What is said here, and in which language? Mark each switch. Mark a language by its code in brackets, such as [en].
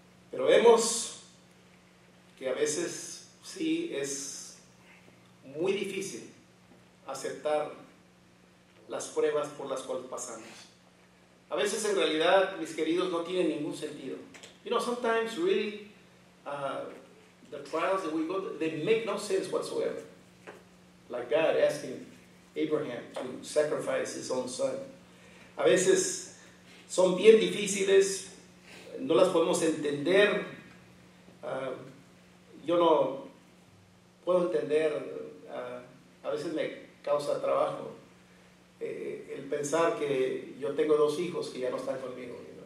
[es] Pero vemos que a veces sí es muy difícil aceptar las pruebas por las cuales pasamos. A veces en realidad, mis queridos, no tienen ningún sentido. [en] You know, sometimes really, the trials that we go, they make no sense whatsoever. Like God asking Abraham to sacrifice his own son. [es] A veces son bien difíciles, no las podemos entender. Yo no puedo entender, a veces me causa trabajo el pensar que yo tengo dos hijos que ya no están conmigo.